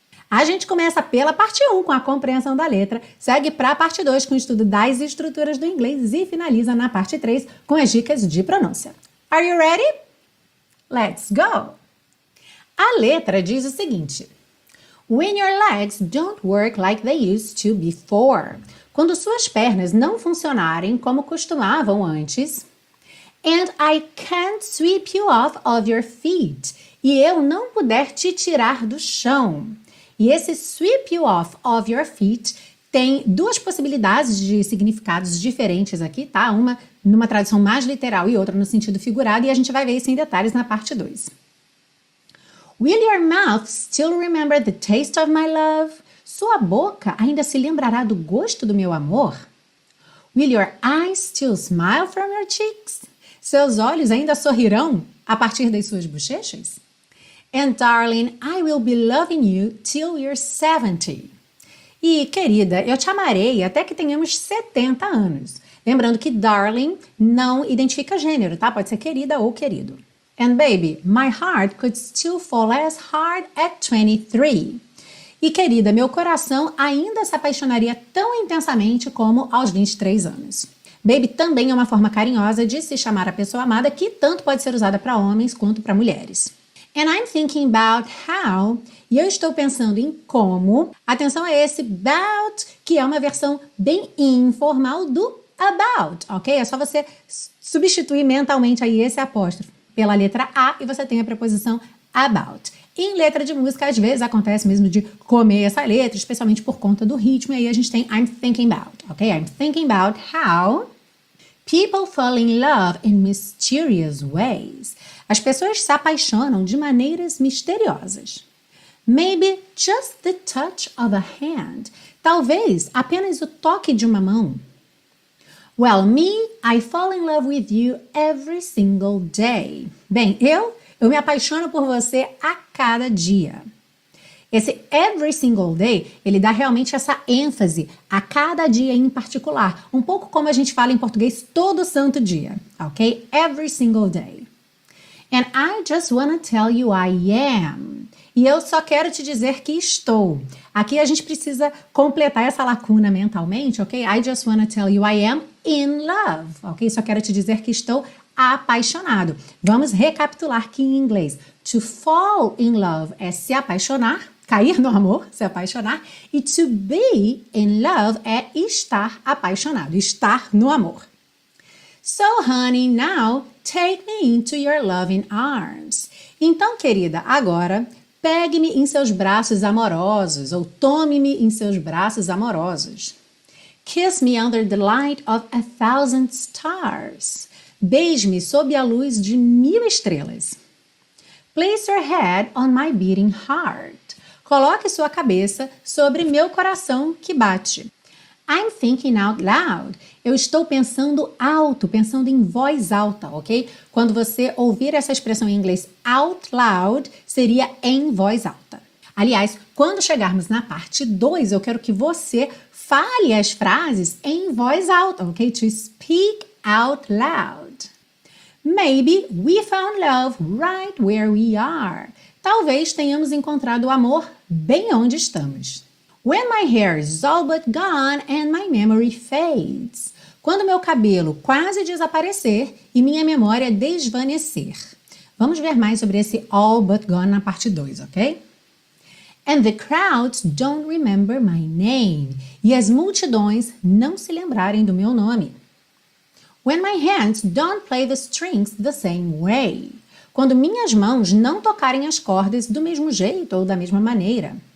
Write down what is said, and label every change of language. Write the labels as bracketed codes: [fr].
[pt] A gente começa pela parte 1, com a compreensão da letra, segue para a parte 2, com o estudo das estruturas do inglês, e finaliza na parte 3, com as dicas de pronúncia. [en] Are you ready? Let's go! [pt] A letra diz o seguinte: [en] When your legs don't work like they used to before. [pt] Quando suas pernas não funcionarem como costumavam antes. [en] And I can't sweep you off of your feet. [pt] E eu não puder te tirar do chão. E esse [en] sweep you off of your feet [pt] tem duas possibilidades de significados diferentes aqui, tá? Uma numa tradução mais literal e outra no sentido figurado, e a gente vai ver isso em detalhes na parte 2. [en] Will your mouth still remember the taste of my love? [pt] Sua boca ainda se lembrará do gosto do meu amor? [en] Will your eyes still smile from your cheeks? [pt] Seus olhos ainda sorrirão a partir das suas bochechas? [en] And darling, I will be loving you till you're 70. [pt] E querida, eu te amarei até que tenhamos 70 anos. Lembrando que darling não identifica gênero, tá? Pode ser querida ou querido. [en] And baby, my heart could still fall as hard at 23. [pt] E querida, meu coração ainda se apaixonaria tão intensamente como aos 23 anos. Baby também é uma forma carinhosa de se chamar a pessoa amada, que tanto pode ser usada para homens quanto para mulheres. [en] And I'm thinking about how, [pt] e eu estou pensando em como, atenção a esse about, que é uma versão bem informal do about, ok? É só você substituir mentalmente aí esse apóstrofo pela letra A e você tem a preposição about. Em letra de música, às vezes acontece mesmo de comer essa letra, especialmente por conta do ritmo, e aí a gente tem [en] I'm thinking about, [pt] ok? [en] I'm thinking about how people fall in love in mysterious ways. [pt] As pessoas se apaixonam de maneiras misteriosas. [en] Maybe just the touch of a hand. [pt] Talvez apenas o toque de uma mão. [en] Well, me, I fall in love with you every single day. [pt] Bem, eu me apaixono por você a cada dia. Esse [en] every single day, [pt] ele dá realmente essa ênfase a cada dia em particular. Um pouco como a gente fala em português todo santo dia, ok? [en] Every single day. And I just wanna tell you I am. [pt] E eu só quero te dizer que estou. Aqui a gente precisa completar essa lacuna mentalmente, ok? [en] I just wanna tell you I am in love, [pt] ok? Só quero te dizer que estou apaixonado. Vamos recapitular aqui em inglês. [en] To fall in love [pt] é se apaixonar, cair no amor, se apaixonar. E [en] to be in love [pt] é estar apaixonado, estar no amor. [en] So, honey, now take me into your loving arms. [pt] Então, querida, agora pegue-me em seus braços amorosos ou tome-me em seus braços amorosos. [en] Kiss me under the light of 1,000 stars. [pt] Beije-me sob a luz de 1,000 estrelas. [en] Place your head on my beating heart. [pt] Coloque sua cabeça sobre meu coração que bate. [en] I'm thinking out loud. [pt] Eu estou pensando alto, pensando em voz alta, ok? Quando você ouvir essa expressão em inglês, out loud, seria em voz alta. Aliás, quando chegarmos na parte 2, eu quero que você fale as frases em voz alta, ok? [en] To speak out loud. Maybe we found love right where we are. [pt] Talvez tenhamos encontrado o amor bem onde estamos. [en] When my hair is all but gone and my memory fades. [pt] Quando meu cabelo quase desaparecer e minha memória desvanecer. Vamos ver mais sobre esse all but gone na parte 2, ok? [en] And the crowds don't remember my name. [pt] E as multidões não se lembrarem do meu nome. [en] When my hands don't play the strings the same way. [pt] Quando minhas mãos não tocarem as cordas do mesmo jeito ou da mesma maneira.